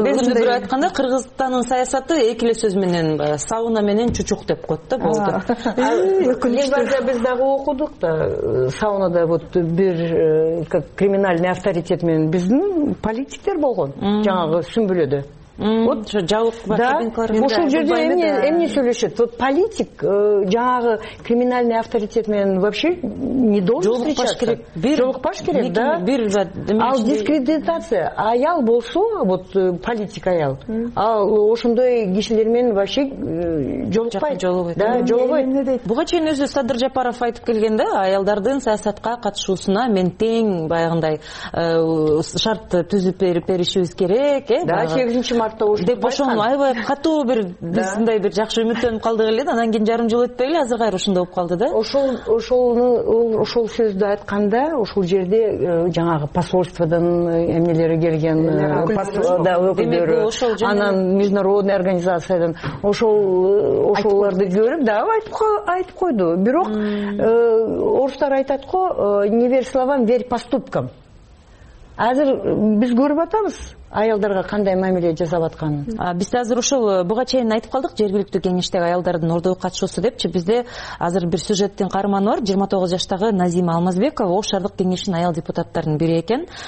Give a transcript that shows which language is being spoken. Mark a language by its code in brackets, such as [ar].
[ky] өзүмдү бир айтканда Кыргызстандын саясаты эки эле сөз менен сауна менен чучук деп коет да, болду. Январда биз дагы окудук да, саунада вот бир [ru] как криминальный авторитет [ky] менен биздин политиктер болгон жанагы сүмбүлөдө. Вот жабык кабинкалар менен ошол жерде эмне сүйлөшөт? [ru] Вот политик [ky] жанагы [ru] криминальный авторитет менен вообще не должен встречаться. [ky] Жолукпаш керек да. Бир ал дискредитация аял болсо, вот политик аял, ал ошондой кишилер менен [ru] вообще [ky] жолукпайт. Да, жолугойт. Буга чейин өзү Садыр Жапаров айтып келген да, аялдардын саясатка катышуусуна мен тең баягындай шарт түзүп беришибиз керек, э? Да, 8-нчи деп ошону аябай катуу бир биз мындай бир жакшы үмүттөнүп калдык эле да, анан кийин жарым жыл өтпөй эле азыр кайра ушундай болуп калды да. Ошол сөздү айтканда ошол жерде жанагы посольстводон эмнелери келген, да, өкүлдөрү, анан международный организациядан ошолорду көрүп да айтып койду. Бирок орустар айтат го, [ru] не верь словам, верь поступкам. [ky] Азыр биз көрүп атабыз аялдарга кандай мамиле жасап атканын. Бизде азыр ошол буга чейин айтып калдык жергиликтүү кеңештеги аялдардын ордогу катышуусу депчи. Бизде азыр бир сюжеттин каарманы бар, 29 жаштагы Назима Алмазбекова Ош шаардык кеңешинин аял депутаттарынын бири экен.